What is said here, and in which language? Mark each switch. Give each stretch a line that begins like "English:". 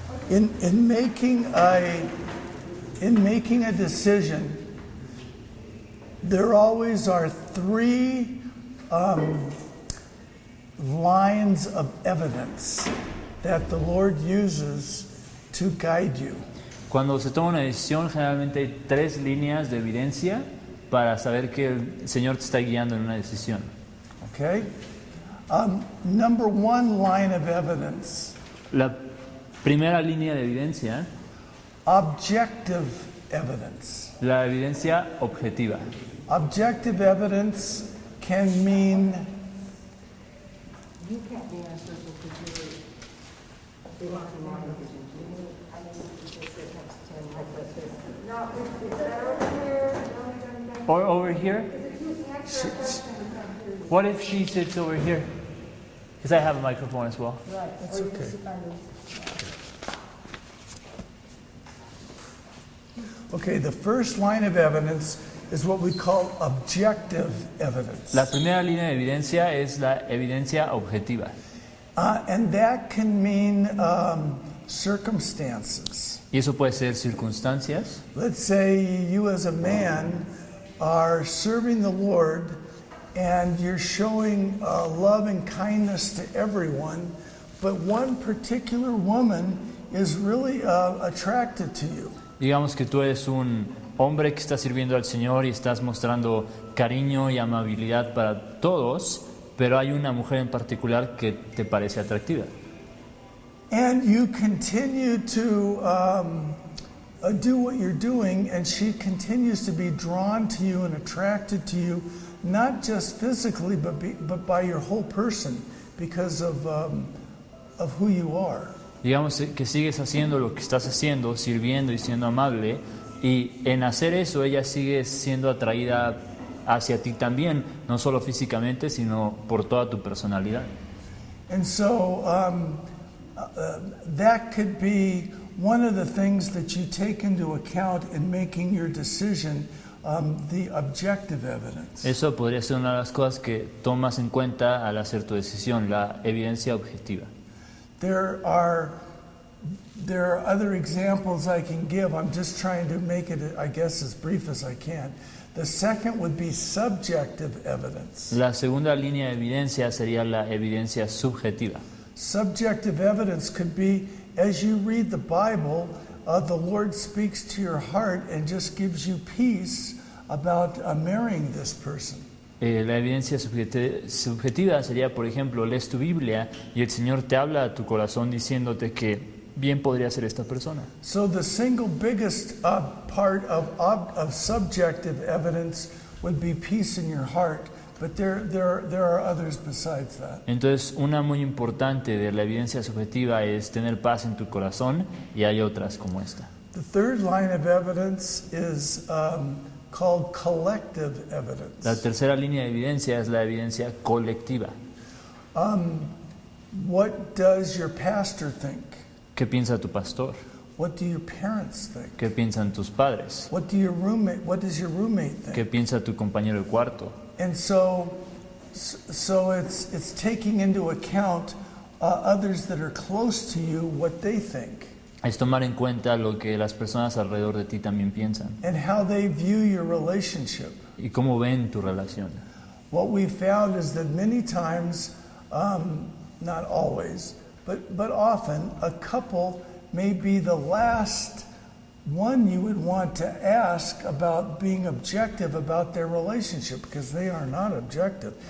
English: In making a decision, there always are three lines of evidence that the Lord uses to guide you.
Spanish: Cuando se toma una decisión, generalmente hay tres líneas de evidencia para saber que el Señor te está guiando en una decisión.
English: Okay. Number one line of evidence.
Spanish: La primera línea de evidencia.
English: Objective evidence.
Spanish: La evidencia objetiva.
English: Objective evidence can mean. You can't be answerable to the jury. You want to lie to the jury. I mean, you just sit next to him like this. Or over here? What if she sits over here? Because I have a microphone as well. Right. It's okay. Okay, the first line of evidence is what we call objective evidence.
Spanish: La primera línea de evidencia es la evidencia objetiva.
English: And that can mean circumstances.
Spanish: Y eso puede ser circunstancias.
English: Let's say you as a man are serving the Lord and you're showing love and kindness to everyone, but one particular woman is really attracted to you.
Spanish: Digamos que tú eres un hombre que está sirviendo al Señor y estás mostrando cariño y amabilidad para todos, pero hay una mujer en particular que te parece atractiva.
English: And you continue to do what you're doing, and she continues to be drawn to you and attracted to you, not just physically, but by your whole person, because of who you are.
Spanish: Digamos que sigues haciendo lo que estás haciendo, sirviendo y siendo amable, y en hacer eso ella sigue siendo atraída hacia ti también, no solo físicamente, sino por toda tu personalidad.
English: And so that could be one of the things that you take into account in making your decision, the objective evidence.
Spanish: Eso podría ser una de las cosas que tomas en cuenta al hacer tu decisión, la evidencia objetiva.
English: There are other examples I can give. I'm just trying to make it, I guess, as brief as I can. The second would be subjective evidence.
Spanish: La segunda línea de evidencia sería la evidencia subjetiva.
English: Subjective evidence could be as you read the Bible, the Lord speaks to your heart and just gives you peace about marrying this person.
Spanish: La evidencia subjetiva sería, por ejemplo, lees tu Biblia y el Señor te habla a tu corazón diciéndote que bien podría ser esta persona.
English: So the single biggest part of subjective evidence would be peace in your heart. But there are others besides that.
Spanish: Entonces, una muy importante de la evidencia subjetiva es tener paz en tu corazón, y hay otras como esta.
English: The third line of evidence is called collective evidence.
Spanish: La tercera línea de evidencia es la evidencia colectiva.
English: What does your pastor think?
Spanish: ¿Qué piensa tu pastor?
English: What do your parents think?
Spanish: ¿Qué piensan tus padres?
English: What does your roommate think?
Spanish: ¿Qué piensa tu compañero de cuarto?
English: And so it's taking into account others that are close to you, what they think.
Spanish: Es tomar en cuenta lo que las personas alrededor de ti también piensan.
English: And how they view your relationship.
Spanish: Y cómo ven tu relación.
English: What we found is that many times, not always, but often, a couple may be the last one you would want to ask about being objective about their relationship, because they are not objective.